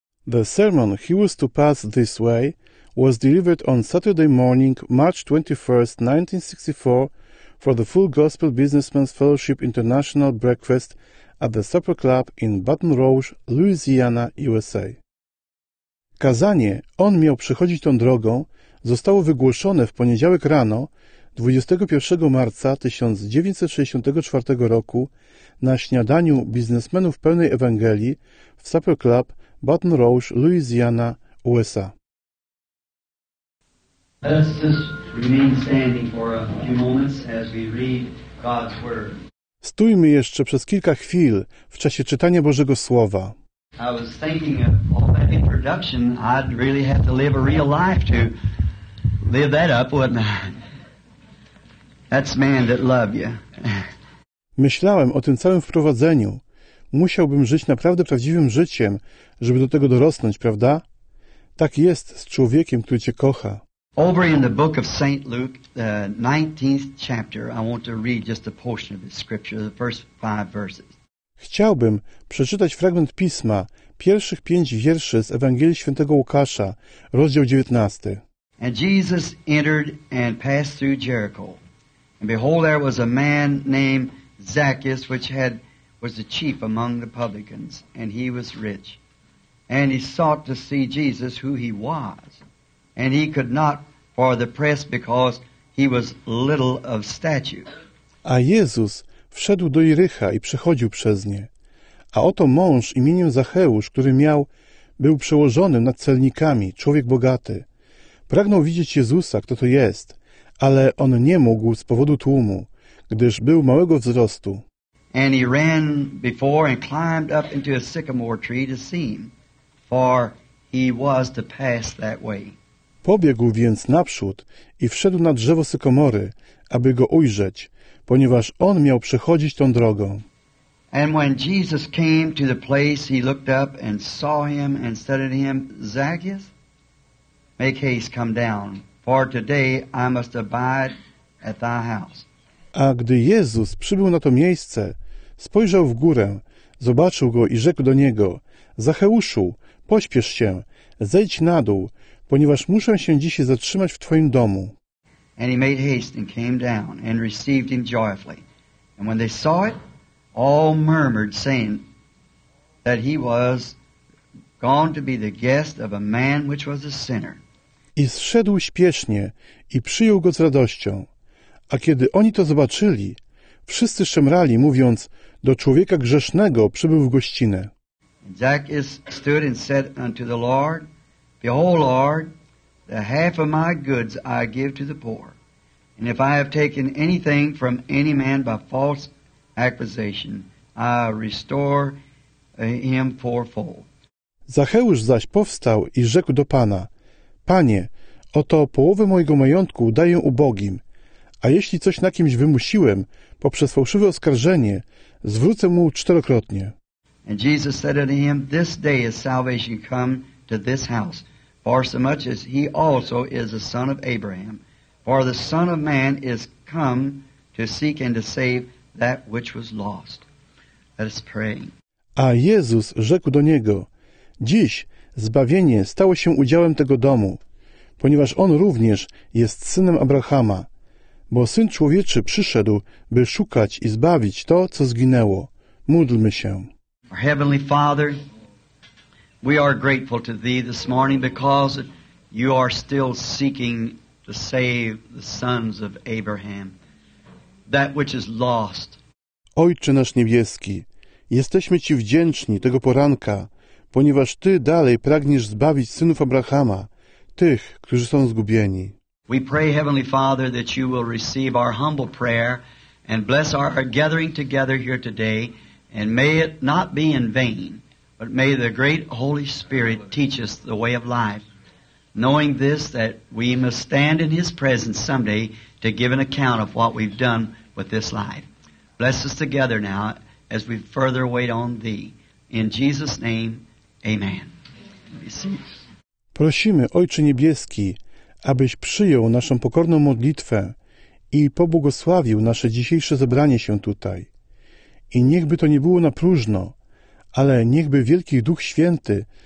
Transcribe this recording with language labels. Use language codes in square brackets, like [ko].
[en] The sermon he was to pass this way was delivered on Saturday morning, March 21, 1964, for the Full Gospel Businessmen's Fellowship International Breakfast at the Supper Club in Baton Rouge, Louisiana, USA. [pl] Kazanie On miał przechodzić tą drogą zostało wygłoszone w poniedziałek rano 21 marca 1964 roku na śniadaniu biznesmenów pełnej Ewangelii w Supper Club Baton Rouge, Louisiana, USA. [en] Let us just remain standing for a few moments as we read God's word. [pl] Stójmy jeszcze przez kilka chwil w czasie czytania Bożego Słowa. [en] I was thinking of all that introduction, I'd really have to live a real life to live that up, wouldn't I? That's man that loved you. [pl] Myślałem o tym całym wprowadzeniu. Musiałbym żyć naprawdę prawdziwym życiem, żeby do tego dorosnąć, prawda? Tak jest z człowiekiem, który cię kocha. [en] Over in the book of St. Luke, the 19th chapter, I want to read just a portion of the scripture, the first five verses. [pl] Chciałbym przeczytać fragment pisma, pierwszych pięć wierszy z Ewangelii Świętego Łukasza, rozdział 19. [en] And Jesus entered and passed through Jericho. And behold, there was a man named Zacchaeus, was the chief among the publicans, and he was rich. And he sought to see Jesus, who he was. And he could not for the press, because he was little of stature. [pl] A Jezus wszedł do Jerycha i przechodził przez nie. A oto mąż imieniem Zacheusz, który był przełożonym nad celnikami, człowiek bogaty. Pragnął widzieć Jezusa, kto to jest, ale on nie mógł z powodu tłumu, gdyż był małego wzrostu. [en] And he ran before and climbed up into a sycamore tree to see him, for he was to pass that way. [pl] Pobiegł więc naprzód i wszedł na drzewo sykomory, aby go ujrzeć, ponieważ on miał przechodzić tą drogą. [en] And when Jesus came to the place, he looked up and saw him and said to him, Zacchaeus, make haste, come down, for today I must abide at thy house. [pl] A gdy Jezus przybył na to miejsce, spojrzał w górę, zobaczył go i rzekł do niego, Zacheuszu, pośpiesz się, zejdź na dół, ponieważ muszę się dzisiaj zatrzymać w twoim domu. [en] And he made haste and came down and received him joyfully. And when they saw it, all murmured, saying that he was gone to be the guest of a man which was a sinner. [pl] I zszedł śpiesznie i przyjął go z radością. A kiedy oni to zobaczyli, wszyscy szemrali, mówiąc, do człowieka grzesznego przybył w gościnę. [en] Zacchaeus stood and said unto the Lord, Behold, Lord, the half of my goods I give to the poor. And if I have taken anything from any man by false accusation, I restore him fourfold. [pl] Zacheusz zaś powstał i rzekł do Pana, Panie, oto połowę mojego majątku daję ubogim, a jeśli coś na kimś wymusiłem poprzez fałszywe oskarżenie, zwrócę mu czterokrotnie. [en] And Jesus said unto him, This day is salvation come to this house, for so much as he also is a son of Abraham. For the Son of Man is come to seek and to save that which was lost. Let us pray. [pl] A Jezus rzekł do niego, Dziś zbawienie stało się udziałem tego domu, ponieważ on również jest synem Abrahama. Bo Syn Człowieczy przyszedł, by szukać i zbawić to, co zginęło. Módlmy się. [en] Heavenly Father, we are grateful to Thee this morning because You are still seeking to save the sons of Abraham, that which is lost. [pl] Ojcze nasz niebieski, jesteśmy Ci wdzięczni tego poranka, ponieważ Ty dalej pragniesz zbawić synów Abrahama, tych, którzy są zgubieni. [en] We pray, Heavenly Father, that You will receive our humble prayer and bless our gathering together here today. And may it not be in vain, but may the great Holy Spirit teach us the way of life, knowing this, that we must stand in His presence someday to give an account of what we've done with this life. Bless us together now as we further wait on Thee. In Jesus' name, amen. [pl] Prosimy, Ojcze Niebieski, abyś przyjął naszą pokorną modlitwę i pobłogosławił nasze dzisiejsze zebranie się tutaj. I niechby to nie było na próżno, ale niechby Wielki Duch Święty